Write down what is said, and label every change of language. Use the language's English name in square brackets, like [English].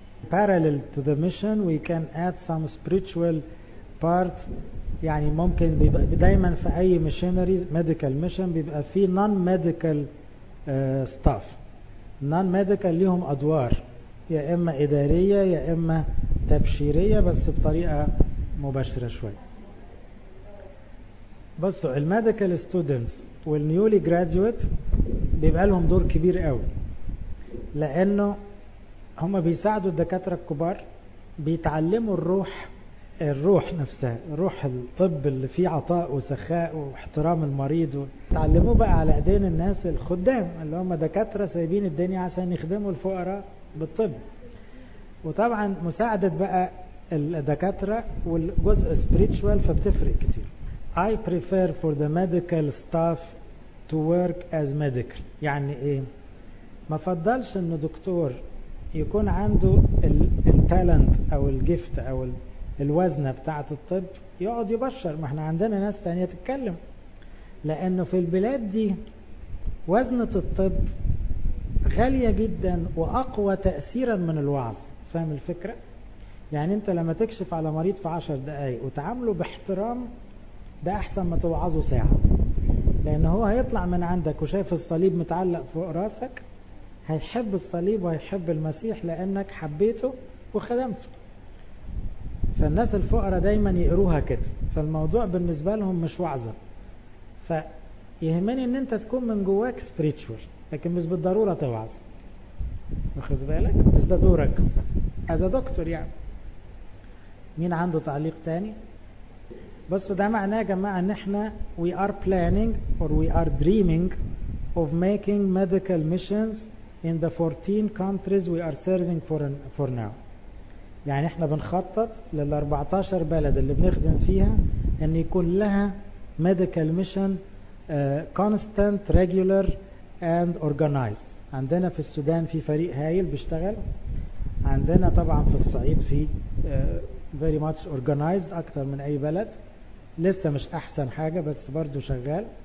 [English] Parallel to the mission we can add some spiritual part. [Arabic] يعني ممكن دايما في أي missionary medical mission بيبقى فيه non-medical staff. Non-medical ليهم أدوار, يا إما إدارية يا إما تبشيرية, بس بطريقة مباشرة شوي. بصوا الميديكال ستودنتس والنيولي جراديويت بيبقى لهم دور كبير قوي, لانه هما بيساعدوا الدكاتره الكبار, بيتعلموا الروح نفسها, روح الطب اللي فيه عطاء وسخاء واحترام المريض, وتعلموا بقى على ايدين الناس الخدام اللي هما دكاتره سايبين الدنيا عشان يخدموا الفقراء بالطب. وطبعا مساعده بقى الدكاتره والجزء سبيريتشوال فبتفرق كتير. [English] I prefer for the medical staff to work as medical. [Arabic] يعني ايه؟ ما فضلش ان دكتور يكون عنده التالنت او الجفت او الوزنة بتاعة الطب يقعد يبشر, ما احنا عندنا ناس تانية تتكلم, لانه في البلاد دي وزنة الطب غالية جدا واقوى تأثيرا من الوعظ. فاهم الفكرة؟ يعني انت لما تكشف على مريض في 10 دقايق وتعامله باحترام, ده احسن ما توعظه ساعة, لان هو هيطلع من عندك وشايف الصليب متعلق فوق راسك, هيحب الصليب وهيحب المسيح لانك حبيته وخدمته. فالناس الفقراء دايما يقروها كده, فالموضوع بالنسبة لهم مش وعظة. فيهمني ان انت تكون من جواك spiritual, لكن مش بالضرورة توعظ. واخد بالك؟ مش ده دورك as a doctor. [English] يعني مين عنده تعليق تاني؟ بس ده معناه يا جماعة ان احنا we are planning or we are dreaming of making medical missions in the 14 countries we are serving for now. [Arabic] يعني احنا بنخطط لل 14 بلد اللي بنخدم فيها ان يكون لها medical mission constant, regular and organized. عندنا في السودان في فريق هايل بيشتغل, عندنا طبعا في الصعيد في very much organized اكتر من اي بلد, لسه مش احسن حاجة بس برضو شغال.